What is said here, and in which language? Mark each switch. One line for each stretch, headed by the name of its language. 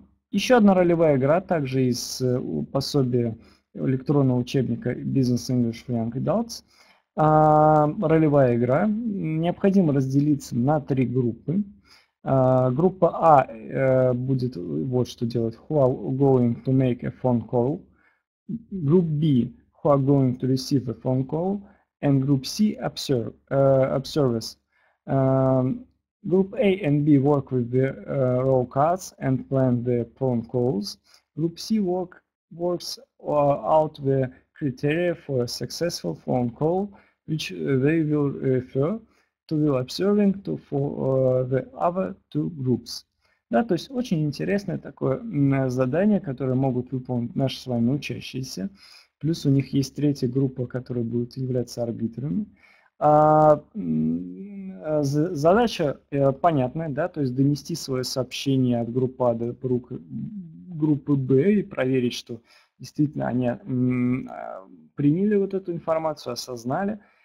Russian: Еще одна ролевая игра, также из пособия электронного учебника Business English for Young Adults. Ролевая игра. Необходимо разделиться на три группы. Группа А будет вот что делать.
English: Who are going to make a phone call? Group B. Who are going to receive a phone call? And group C. Observers. Group A and B work with the role cards and plan the phone calls. Group C works out the criteria for a successful phone call, which they will refer to the observing to for the other two groups.
Russian: Да, то есть очень интересное такое задание, которое могут выполнить наши с вами учащиеся. Плюс у них есть третья группа, которая будет являться арбитрами. Задача понятная, да, то есть донести свое сообщение от группы А до группы Б и проверить, что действительно они приняли вот эту информацию, осознали.